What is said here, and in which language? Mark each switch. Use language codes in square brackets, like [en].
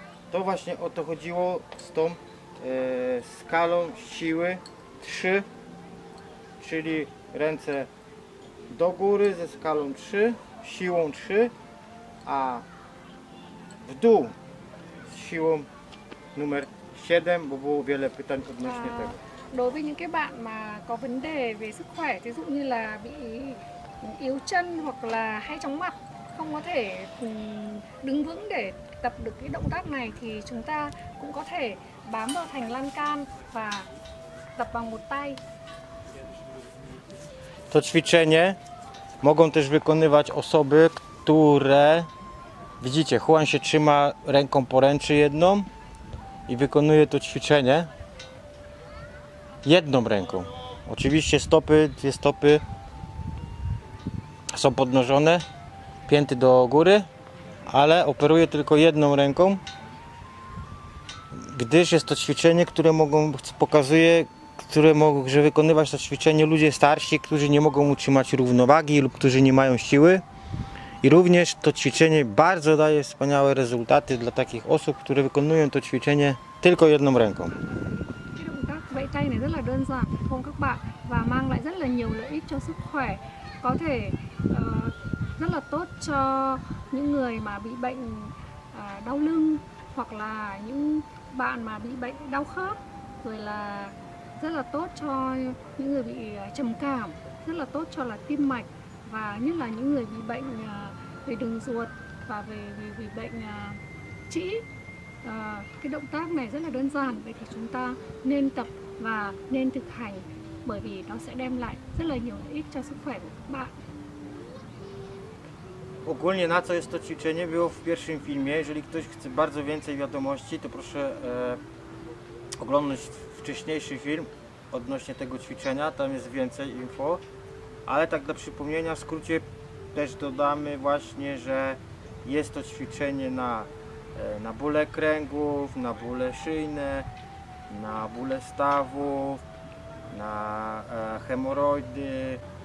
[pl] To właśnie o to chodziło z tą skalą siły 3, czyli ręce do góry ze skalą 3, siłą 3, a w dół z siłą numer 7, bo było wiele pytań odnośnie tego. [vi] Đối với những cái bạn mà có vấn đề về sức khỏe, ví dụ như là bị yếu chân hoặc là hay chóng mặt, không có thể đứng vững để tập được cái động tác này, thì chúng ta cũng có thể bám vào thành lan can và tập bằng một tay. [pl] To ćwiczenie mogą też wykonywać osoby, które, widzicie, Juan się trzyma ręką poręczy jedną i wykonuje to ćwiczenie jedną ręką. Oczywiście stopy, dwie stopy są podnożone, pięty do góry, ale operuje tylko jedną ręką, gdyż jest to ćwiczenie, które mogą, pokazuje, które mogą, że wykonywać to ćwiczenie ludzie starsi, którzy nie mogą utrzymać równowagi lub którzy nie mają siły. I również to ćwiczenie bardzo daje wspaniałe rezultaty dla takich osób, które wykonują to ćwiczenie tylko jedną ręką. [vi] Vẫy tay này rất là đơn giản, không các bạn, và mang lại rất là nhiều lợi ích cho sức khỏe, có thể rất là tốt cho những người mà bị bệnh đau lưng hoặc là những bạn mà bị bệnh đau khớp, rồi là rất là tốt cho những người bị trầm cảm, rất là tốt cho là tim mạch, và nhất là những người bị bệnh về đường ruột và về bệnh trĩ. Cái động tác này rất là đơn giản, vậy thì chúng ta nên tập và nên thực hành, bởi vì nó sẽ đem lại rất là nhiều lợi ích cho sức khỏe của các bạn. [pl] Ogólnie na co jest to ćwiczenie było w pierwszym filmie. Jeżeli ktoś chce bardzo więcej wiadomości, to proszę oglądać wcześniejszy film odnośnie tego ćwiczenia, tam jest więcej info. Ale tak dla przypomnienia, w skrócie też dodamy właśnie, że jest to ćwiczenie na bóle kręgów, na bóle szyjne, na bóle stawów, na hemoroidy.